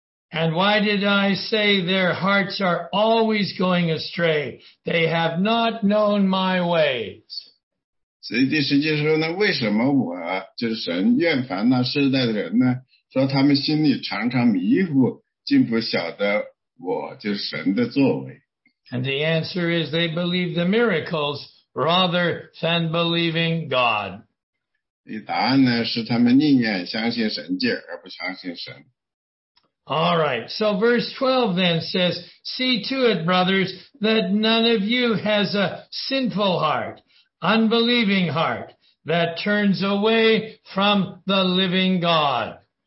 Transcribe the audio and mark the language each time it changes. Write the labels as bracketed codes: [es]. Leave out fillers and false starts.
[en] And why did I say their hearts are always going astray? They have not known my ways. [zh] 所以第十节说呢，为什么我就是神厌烦那世代的人呢？说他们心里常常迷糊，竟不晓得我就是神的作为。 [en] And the answer is they believe the miracles rather than believing God. [zh] 答案呢，是他们宁愿相信神迹而不相信神。 [en] All right, so verse 12 then says, See to it, brothers, that none of you has a sinful heart, unbelieving heart, that turns away from the living God.